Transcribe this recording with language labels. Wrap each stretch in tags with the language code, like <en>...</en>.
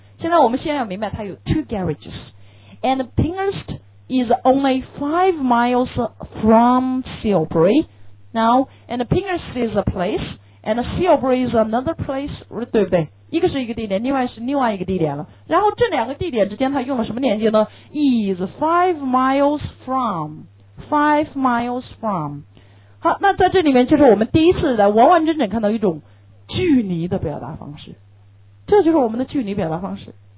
<zh>现在我们现在要明白它有</zh> <en>two garages. And Pinghurst is only 5 miles from Silbury. Now, and Pinghurst is a place, and Silbury is another place,</en> <zh>对不对？一个是一个地点，另外是另外一个地点了。然后这两个地点之间它用了什么连接呢？</zh> <en>Is 5 miles from.</en> <zh>好，那在这里面就是我们第一次来完完整整看到一种距离的表达方式，这就是我们的距离表达方式。</zh>